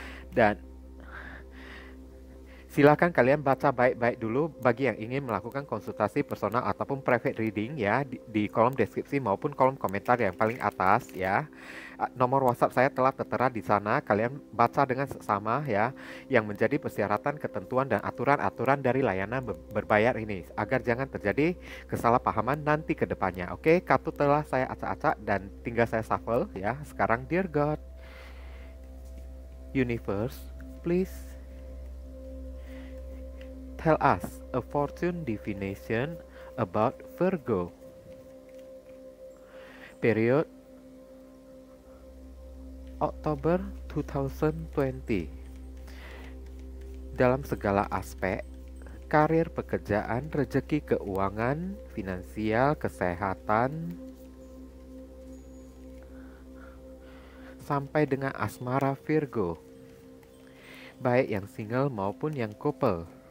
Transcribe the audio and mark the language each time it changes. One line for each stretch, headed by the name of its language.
Indonesian: Dan silakan kalian baca baik-baik dulu bagi yang ingin melakukan konsultasi personal ataupun private reading ya, di kolom deskripsi maupun kolom komentar yang paling atas ya. Nomor WhatsApp saya telah tertera di sana, kalian baca dengan seksama ya, yang menjadi persyaratan, ketentuan, dan aturan-aturan dari layanan berbayar ini, agar jangan terjadi kesalahpahaman nanti ke depannya. Oke, kartu telah saya acak-acak dan tinggal saya shuffle ya. Sekarang
English: Dear God, Universe, please tell us a fortune divination about Virgo period October 2020.
Indonesian: Dalam segala aspek, karir, pekerjaan, rezeki, keuangan, finansial, kesehatan, sampai dengan asmara Virgo, baik yang single maupun yang couple.